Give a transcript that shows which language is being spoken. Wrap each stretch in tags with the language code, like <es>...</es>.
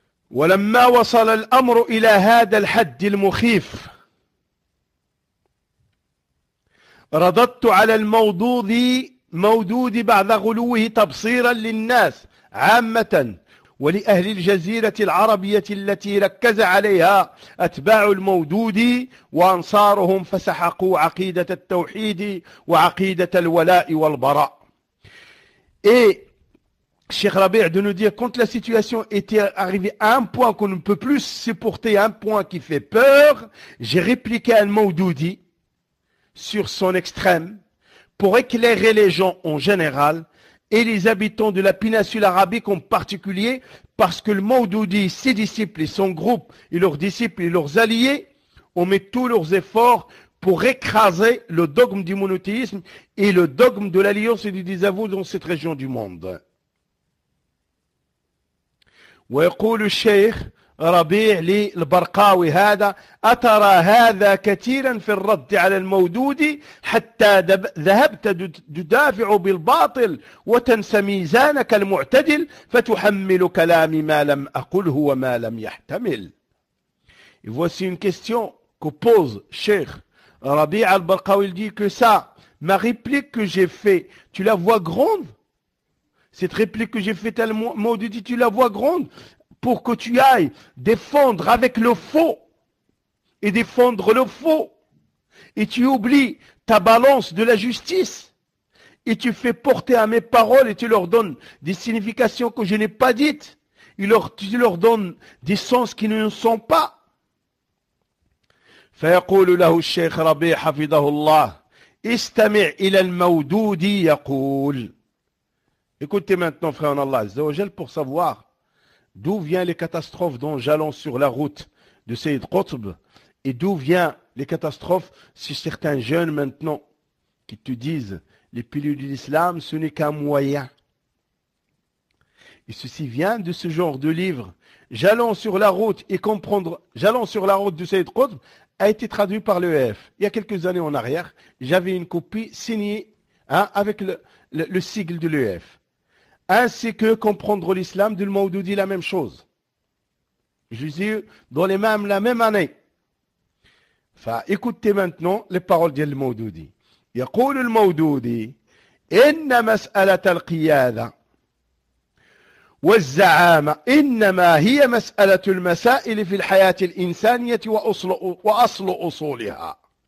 <ar>ولما وصل الامر الى هذا الحد المخيف رددت على المودود بعد غلوه تبصيرا للناس عامة ولأهل الجزيرة العربية التي ركز عليها أتباع المودود وأنصارهم فسحقوا عقيدة التوحيد وعقيدة الولاء والبراء.</ar> <fr>Et Cheikh Rabi' de nous dire, quand la situation était arrivée à un point qu'on ne peut plus supporter, un point qui fait peur, j'ai répliqué à Al-Maududi sur son extrême pour éclairer les gens en général et les habitants de la péninsule arabique en particulier, parce que le Maududi, ses disciples et son groupe, et leurs disciples et leurs alliés, ont mis tous leurs efforts pour écraser le dogme du monothéisme et le dogme de l'alliance et du désaveu dans cette région du monde.</fr> <ar>ويقول الشيخ ربيع للبرقاوي هذا: أترى هذا كثيرا في الرد على المودود حتى ذهبت تدافع بالباطل وتنسى ميزانك المعتدل فتحمل كلامي ما لم أقله وما لم يحتمل.</ar> <fr>Et voici une question que pose Cheikh Rabi al-Barqawi. Il dit que ça, ma réplique que j'ai fait, tu la vois grande? Cette réplique que j'ai faite à le maudit, tu la vois grande? Pour que tu ailles défendre avec le faux et défendre le faux. Et tu oublies ta balance de la justice. Et tu fais porter à mes paroles et tu leur donnes des significations que je n'ai pas dites. Tu leur donnes des sens qui ne sont pas.</fr> <ar>فيقول له الشيخ ربيع حفظه الله: استمع إلى المودود يقول.</ar> <fr>Écoutez maintenant, frère en Allah Azza wa Jal, pour savoir d'où vient les catastrophes dont jalons sur la route de Sayyid Qutb, et d'où vient les catastrophes si certains jeunes maintenant qui te disent les piliers de l'islam ce n'est qu'un moyen. Et ceci vient de ce genre de livre. Jalons sur la route et comprendre, jalons sur la route de Sayyid Qutb a été traduit par l'EF. Il y a quelques années en arrière, j'avais une copie signée avec le sigle de l'EF. Ainsi que comprendre l'islam du Maududi, la même chose. Je les ai eu dans les mêmes, la même année. Enfin, écoutez maintenant les paroles du Maududi. Il dit le Maududi,</fr> <ar>« Inna mas'alat al-qiyada والزعامه انما هي مساله المسائل في الحياه الانسانيه واصل اصولها.</ar>